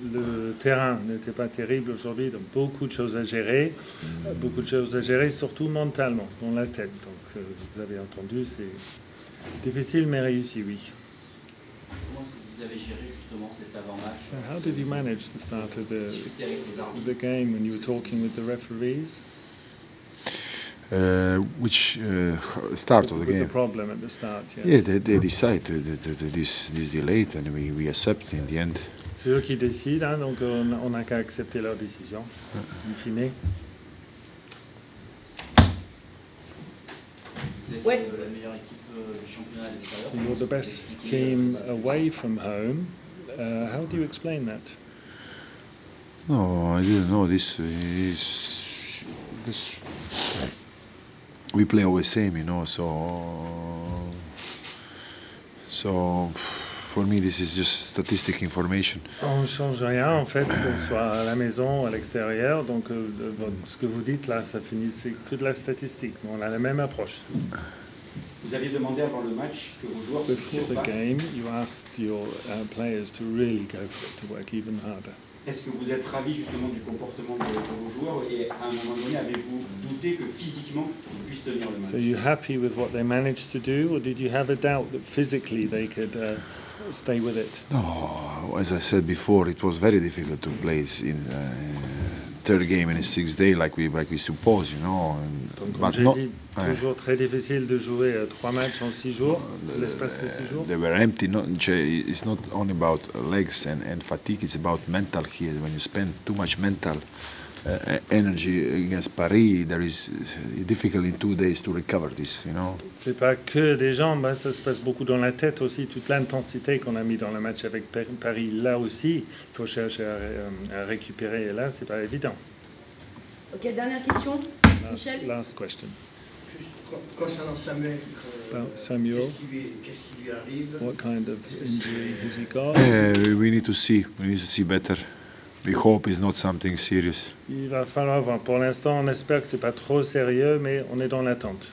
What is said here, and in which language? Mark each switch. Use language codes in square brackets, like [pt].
[fr] Le terrain n'était pas terrible aujourd'hui, donc beaucoup de choses à gérer. Beaucoup de choses à gérer, surtout mentalement, dans la tête. Donc, vous avez entendu, c'est difficile, mais réussi, oui. Comment est-ce que vous avez géré justement cet avant-match? [en] How did you manage the start of the game when you were talking with the referees? Which start of the game? With the problem at the start, yes. Yeah, they decide this delay, and we accept in the end. [fr] C'est eux qui décident, hein, donc on n'a qu'à accepter leur décision, in fine. [en] So you're the best team away from home. How do you explain that? No, I didn't know. This is... We play always same, you know, so for me this is just statistic information. [fr] On ne change rien en fait, qu'on soit à la maison ou à l'extérieur, donc ce que vous dites là, ça finit, c'est que de la statistique, mais on a la même approche. Vous aviez demandé avant le match que vos joueurs se surpassent. [en] Before the game, you asked your players to really go for it, to work even harder. [fr] Est-ce que vous êtes ravi justement du comportement de vos joueurs et à un moment donné avez-vous douté que physiquement ils puissent tenir le match? [en] So you happy with what they managed to do or did you have a doubt that physically they could stay with it? No, as I said before, it was very difficult to play in third game in a 6 days like we suppose, you know. [fr] Toujours très difficile de jouer 3 matchs en 6 jours, l'espace de 6 jours. [en] They were empty. It's not only about legs and fatigue. It's about mental here. When you spend too much mental energy against Paris, there is difficult in 2 days to recover this, you know. [fr] C'est pas que des jambes, ça se passe beaucoup dans la tête aussi. Toute l'intensité qu'on a mis dans le match avec Paris, là aussi, il faut chercher à récupérer. Et là, c'est pas évident. Ok, dernière question, Michel. [en] Last question. About Samuel, what kind of injury has he got? We need to see better. We hope it's not something serious. [fr] Il va falloir voir. Pour l'instant, on espère que c'est pas trop sérieux, mais on est dans l'attente.